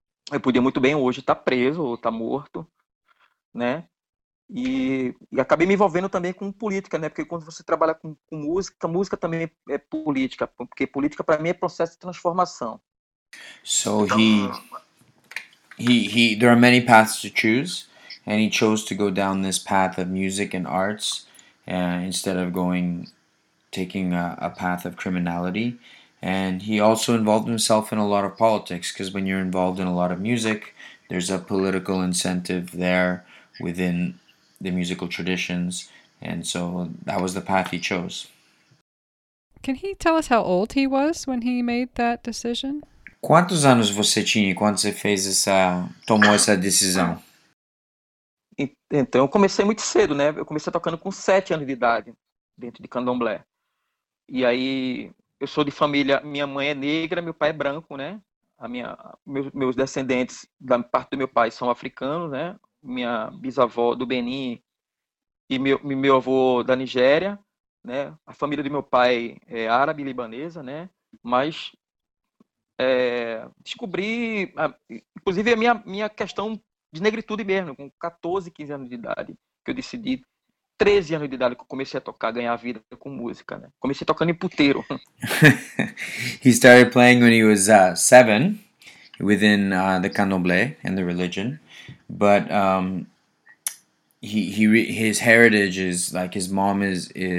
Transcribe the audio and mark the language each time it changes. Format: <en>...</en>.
<pt>Eu podia muito bem hoje estar preso ou estar morto, né? E acabei me envolvendo também com política, né? Porque quando você trabalha com música, música também é política, porque política para mim é processo de transformação. So Então.</pt> <en>he there are many paths to choose, and he chose to go down this path of music and arts, instead of taking a path of criminality. And he also involved himself in a lot of politics, because when you're involved in a lot of music, there's a political incentive there within the musical traditions, and so that was the path he chose. Can he tell us how old he was when he made that decision?</en> <pt>Quantos anos você tinha quando você fez essa, tomou essa decisão? Então, eu comecei muito cedo, né? Eu comecei tocando com 7 anos de idade, dentro de candomblé. E aí, eu sou de família, minha mãe é negra, meu pai é branco, né? Meus descendentes da parte do meu pai são africanos, né? Minha bisavó do Benin e meu avô da Nigéria. Né? A família do meu pai é árabe e libanesa, né? Mas descobri, inclusive, a minha questão de negritude mesmo, com 14, 15 anos de idade, que eu decidi, 13 anos de idade, que eu comecei a tocar, ganhar vida com música, né? Comecei tocando em puteiro.</pt> <en>He started playing when he was 7 within the Candomblé and the religion, but his heritage is like his mom is</en>